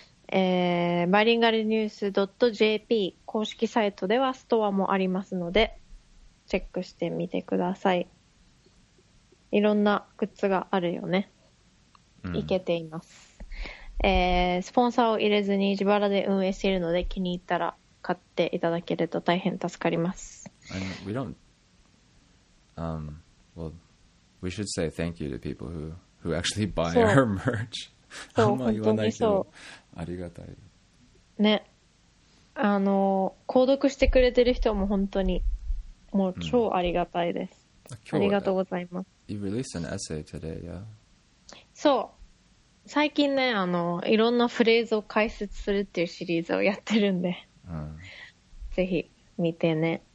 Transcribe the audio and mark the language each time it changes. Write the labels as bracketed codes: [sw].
[ja] バイリンガルニュース .jp 公式サイトではストアもありますのでチェックしてみてください。いろんなグッズがあるよね。いけています。スポンサーを入れずに自腹で運営しているので気に入ったら買っていただけると大変助かります。 [en] We don't, well, we should say thank you to people who actually buy our merch. [ja] そう、本当にそう。ありがたい。ね。購読してくれてる人も本当に、もう超ありがたいです。ありがとうございます。 [en] You released an essay today, yeah? [ja] そう。最近ね、いろんなフレーズを解説するっていうシリーズをやってるんで、ぜひ見てね。